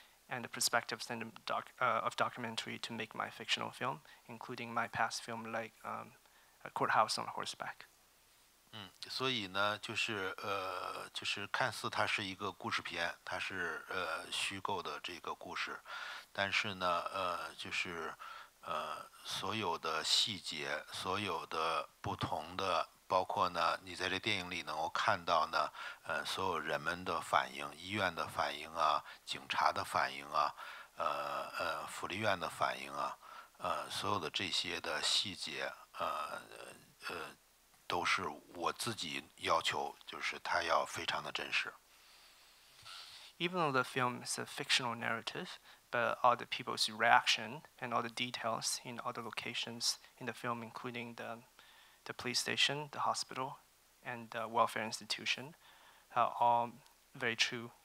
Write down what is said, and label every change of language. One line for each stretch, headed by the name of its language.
English: And the perspective of documentary to make my fictional film, including my past film like A Courthouse on Horseback.
Chinese: 所以呢，就是看似它是一个故事片，它是虚构的这个故事，但是呢，就是所有的细节，所有的不同的，包括呢，你在这电影里能够看到呢，所有人们的反应，医院的反应啊，警察的反应啊，福利院的反应啊，所有的这些的细节，都是我自己要求，就是它要非常的真实。
English: Even though the film is a fictional narrative, but all the people's reaction and all the details in all the locations in the film, including the police station, the hospital, and the welfare institution are all very true.